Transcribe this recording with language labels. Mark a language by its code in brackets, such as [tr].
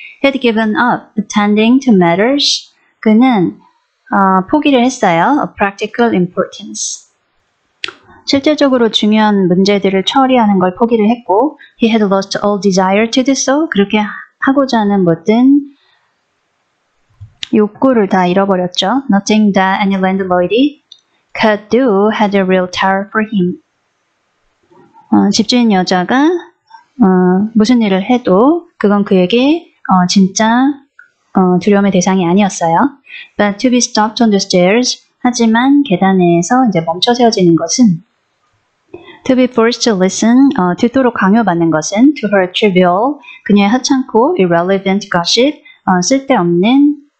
[en] Had given up attending to matters, [ko] 그는 포기를 했어요. [en] A practical importance. [ko] 실제적으로 중요한 문제들을 처리하는 걸 포기를 했고, [en] he had lost all desire to do so. [ko] 그렇게 하고자 하는 모든 욕구를 다 잃어버렸죠. [en] Nothing that any landlady could do had a real terror for him. [ko] 집주인 여자가 무슨 일을 해도 그건 그에게 진짜 두려움의 대상이 아니었어요. [en] But to be stopped on the stairs, [ko] 하지만 계단에서 이제 멈춰 세워지는 것은 [en] To be forced to listen, [ko] 듣도록 강요받는 것은 [en] To her trivial, [ko] 그녀의 하찮고 [en] irrelevant gossip, [ko] 쓸데없는